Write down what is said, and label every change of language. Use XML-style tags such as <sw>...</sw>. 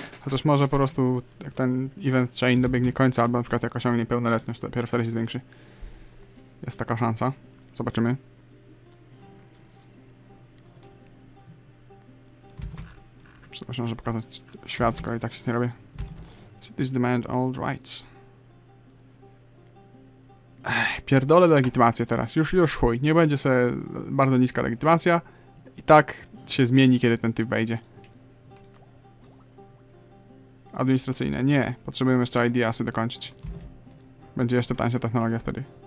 <pl>Chociaż może po prostu jak ten event chain dobiegnie końca, albo na przykład jak osiągnie pełnoletność, to dopiero wtedy się zwiększy. Jest taka szansa. Zobaczymy. Przepraszam, że pokazać świat, skoro i tak się nie robię.</pl> <en>Cities demand all rights.</en> <pl>Pierdolę legitymację teraz. Już chuj. Nie będzie sobie bardzo niska legitymacja. I tak się zmieni, kiedy ten typ wejdzie. Administracyjne. Nie. Potrzebujemy jeszcze ideasy dokończyć. Będzie jeszcze tańsza technologia wtedy.</pl>